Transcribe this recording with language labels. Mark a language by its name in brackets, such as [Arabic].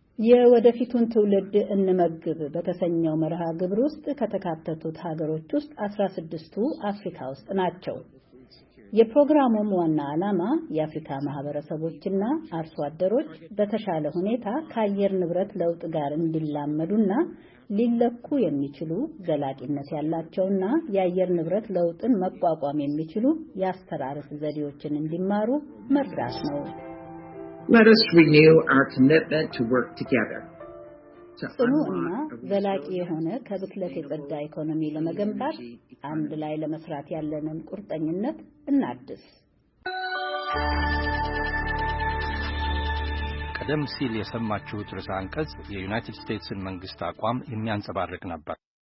[Amharic] የወደፊቱን ትውልድ እንመግብ በተሰኘው መርሃ ግብር ውስጥ ከተካተቱት ሀገሮች ውስጥ 16ቱ አፍሪካ ውስጥ ናቸው። የፕሮግራሙ ዋና ዓላማ የአፍሪካ ማህበረሰቦችና አርሶ አደሮች በተሻለ ሁኔታ ከአየር ንብረት ለውጥ ጋር እንዲላመዱና ሊለኩ የሚችሉ ዘላቂነት ያላቸውና የአየር ንብረት ለውጥን መቋቋም የሚችሉ የአስተራረስ ዘዴዎችን እንዲማሩ መርዳት ነው። [English] Let us renew our commitment to work together. [Amharic] ጽኑና ዘላቂ የሆነ ከብክለት የጸዳ ኢኮኖሚ ለመገንባት አንድ ላይ ለመስራት ያለንን ቁርጠኝነት እናድስ። ቀደም ሲል የሰማችሁት ርዕሰ አንቀጽ የዩናይትድ ስቴትስን መንግስት አቋም የሚያንጸባርቅ ነበር።